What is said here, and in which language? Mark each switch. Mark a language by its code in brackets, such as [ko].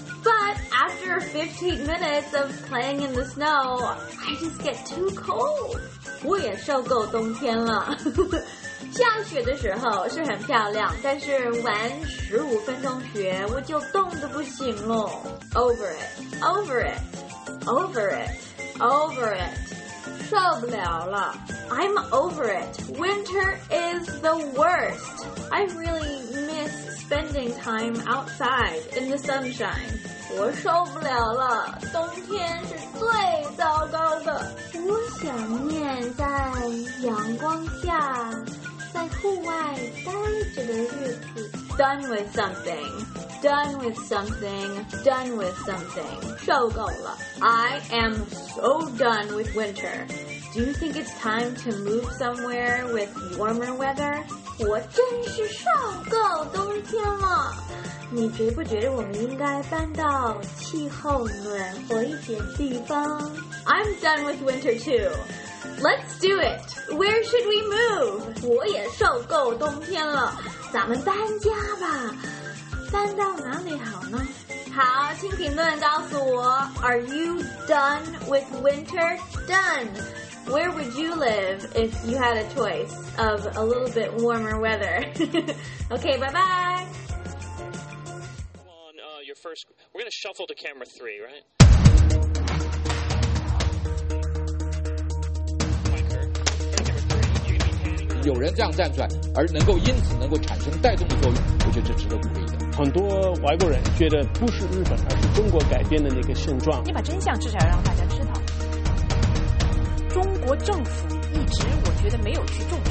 [en] But after 15 minutes of playing in the snow, I just get too cold. [zh] 我也受够冬天了。下雪的时候是很漂亮，但是玩15分钟雪我就冻得不行了。 [en] Over it, over it, over it, over it. [zh] 受不了了。 [en] I'm over it. Winter is the worst. I really miss spending time outside in the sunshine. [zh] 我受不了了，冬天是最糟糕的。我想念在阳光下，在户外待着的日子。 [en] Done with something, done with something, done with something. [zh] 受够了。 [en] I am so done with winter. Do you think it's time to move somewhere with warmer weather? [zh] 我真是受够冬天了。你觉不觉得我们应该搬到气候暖和一点地方？ [en] I'm done with winter too. Let's do it. Where should we move? [zh] 我也受够冬天了，咱们搬家吧。搬到哪里好呢？好，请评论告诉我。 [en] Are you done with winter? Done. Where would you live if you had a choice of a little bit warmer weather? Okay, bye bye. First, we're going to shuffle to camera 3, right? [zh] Camera 3, 有人这样站出来，而能够因此能够产生带动的作用，我觉得这值得鼓励的。很多外国人觉得不是日本，而是中国改变的那个现状。你把真相至少要让大家知道。中国政府一直我觉得没有去重视。